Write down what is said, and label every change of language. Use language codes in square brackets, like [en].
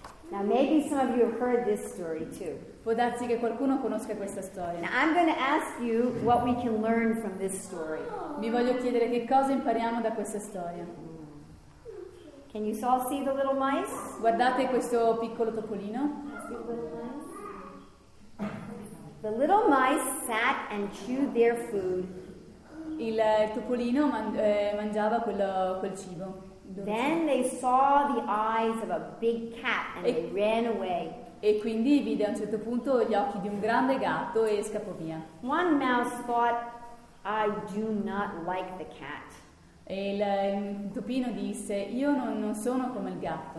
[en] Now maybe some of you have heard this story too. [it] Può darsi che qualcuno conosca questa storia. [en] Now I'm going to ask you what we can learn from this story. [it] Vi voglio chiedere che cosa impariamo da questa storia. [en] Can you all see the little mice? [it] Guardate questo piccolo topolino. [en] The little mice sat and chewed their food. [it] Il topolino mangiava quel cibo. [en] Then they saw the eyes of a big cat and they ran away. [it] E quindi vide a un certo punto gli occhi di un grande gatto e scappò via. [en] One mouse thought, "I do not like the cat." [it] E il topino disse, "Io non sono come il gatto.